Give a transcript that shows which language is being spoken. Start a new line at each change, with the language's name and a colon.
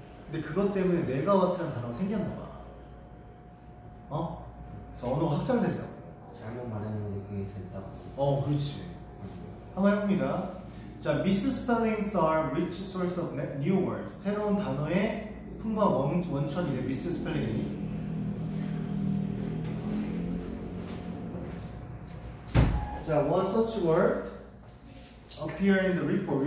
Korean: 근데 그것 때문에 메가와트라는 단어가 생겼나 봐. 어? 그래서 언어가 확장된다. 잘못 말했는데 그게 됐다고. 어, 그렇지. 한번 해봅니다.
English: 자, misspellings are rich source of new words.
Korean: 새로운 단어의 풍부한 원천이래, misspelling이.
English: 자, one such word appear in the report.